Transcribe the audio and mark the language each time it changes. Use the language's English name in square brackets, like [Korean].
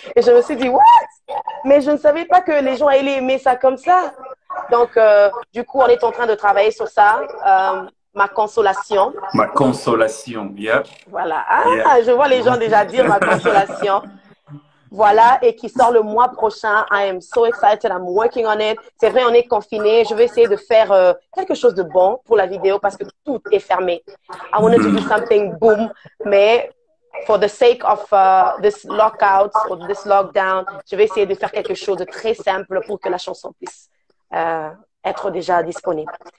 [French] Et je me suis dit, what? Mais je ne savais pas que les gens allaient aimer ça comme ça. Donc, du coup, on est en train de travailler sur ça. Ma consolation. Ma consolation, yep. Voilà. Ah, yep. Je vois les gens déjà dire ma consolation. Voilà, et qui sort le mois prochain. [English] I am so excited, I'm working on it. [French] C'est vrai, on est confiné. Je vais essayer de faire quelque chose de bon pour la vidéo parce que tout est fermé. [English] I wanted to do something boom, [French] mais [English] for the sake of this lockout or this lockdown, [French] je vais essayer de faire quelque chose de très simple pour que la chanson puisse être déjà disponible.